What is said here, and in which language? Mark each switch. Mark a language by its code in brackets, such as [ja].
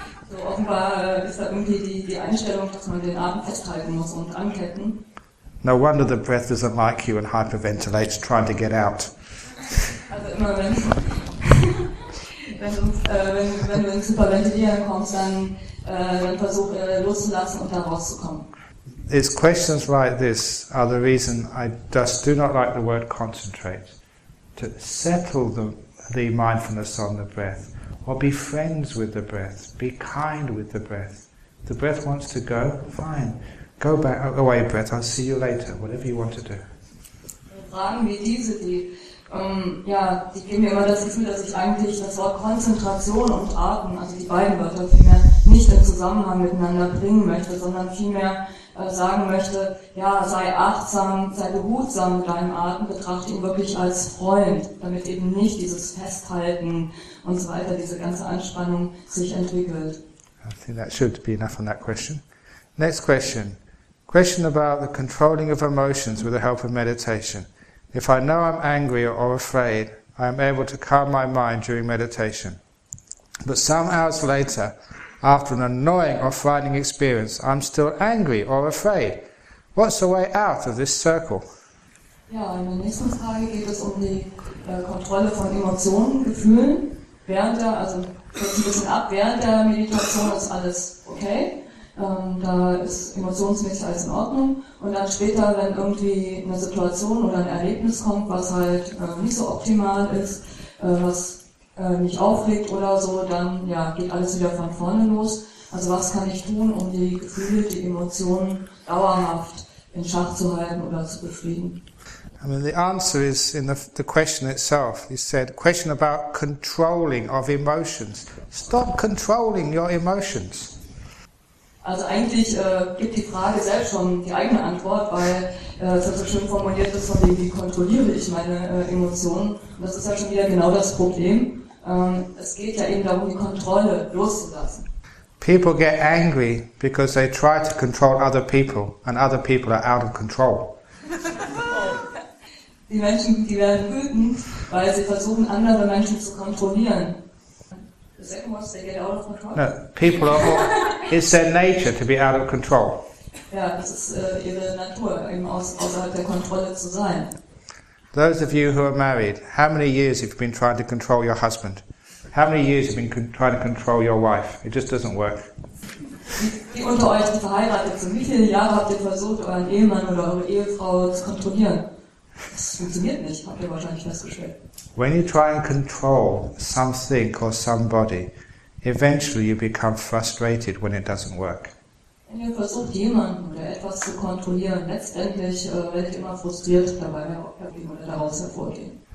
[en] So [de] offenbar ist da irgendwie die Einstellung, dass man den Atem festhalten muss und anketten. [en] No wonder the breath doesn't like you and hyperventilates trying to get out. [de] Also immer wenn du ins Hyperventilieren kommst, dann versuch loszulassen und da rauszukommen. [en] It's questions like this are the reason I just do not like the word concentrate. To settle the mindfulness on the breath, or be friends with the breath, be kind with the breath. The breath wants to go, fine. Go back, away breath, I'll see you later, whatever you want to do. [de] Fragen wie diese, die geben mir immer das Gefühl, dass ich eigentlich das Wort Konzentration und Atmen, also die beiden Wörter, vielmehr nicht in Zusammenhang miteinander bringen möchte, sondern vielmehr sagen möchte, ja, sei achtsam, sei behutsam mit deinem Atem, betrachte ihn wirklich als Freund, damit eben nicht dieses Festhalten und so weiter, diese ganze Anspannung sich entwickelt. [en] I think that should be enough on that question. Next question. Question about the controlling of emotions with the help of meditation. If I know I'm angry or afraid, I am able to calm my mind during meditation. But some hours later, after an annoying or frightening experience, I'm still angry or afraid. What's the way out of this circle? [de] Ja, in der nächsten Frage geht es um die Kontrolle von Emotionen, Gefühlen. Während der Meditation ist alles okay. Da ist emotionsmäßig alles in Ordnung. Und dann später, wenn irgendwie eine Situation oder ein Erlebnis kommt, was halt nicht so optimal ist, was mich aufregt oder so, dann ja, geht alles wieder von vorne los. Also was kann ich tun, um die Gefühle, die Emotionen dauerhaft in Schach zu halten oder zu befrieden? [en] I mean, the answer is in the question itself. You said, question about controlling of emotions. Stop controlling your emotions. [de] Also eigentlich gibt die Frage selbst schon die eigene Antwort, weil es so schön formuliert ist von dem, wie kontrolliere ich meine Emotionen. Und das ist ja schon wieder genau das Problem. Es geht ja eben darum, die Kontrolle loszulassen. [en] People get angry because they try to control other people and other people are out of control. [de] Die Menschen, die werden wütend, weil sie versuchen, andere Menschen zu kontrollieren. [en] No, people are all, it's their nature to be out of control. [de] Ja, das ist ihre Natur, eben außerhalb der Kontrolle zu sein. [en] Those of you who are married, how many years have you been trying to control your husband? How many years have you been trying to control your wife? It just doesn't work. [de] Wie unter euch verheiratet sind, wie viele Jahre habt ihr versucht, euren Ehemann oder eure Ehefrau zu kontrollieren? Das funktioniert nicht, habt ihr wahrscheinlich festgestellt. [en] When you try and control something or somebody, eventually you become frustrated when it doesn't work. [de] Wenn ihr versucht, jemanden oder etwas zu kontrollieren, letztendlich werdet ihr immer frustriert dabei, wie man daraus hervorgeht.